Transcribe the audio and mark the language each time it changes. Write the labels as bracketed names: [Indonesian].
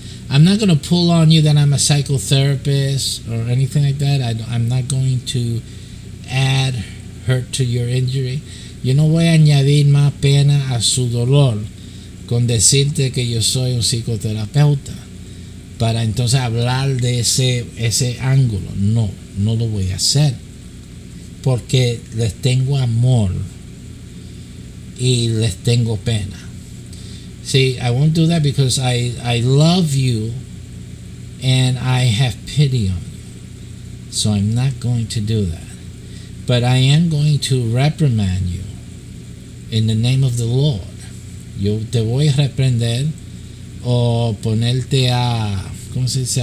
[English] I'm not going to pull on you that I'm a psychotherapist or anything like that. I'm not going to add hurt to your injury. [Spanish] Yo no voy a añadir más pena a su dolor con decirte que yo soy un psicoterapeuta para entonces hablar de ese ángulo. No, no lo voy a hacer porque les tengo amor. Y les tengo pena. [English] See, I won't do that because I love you and I have pity on you. So I'm not going to do that. But I am going to reprimand you in the name of the Lord. [Spanish] Yo te voy a reprender o ponerte a, ¿cómo se dice?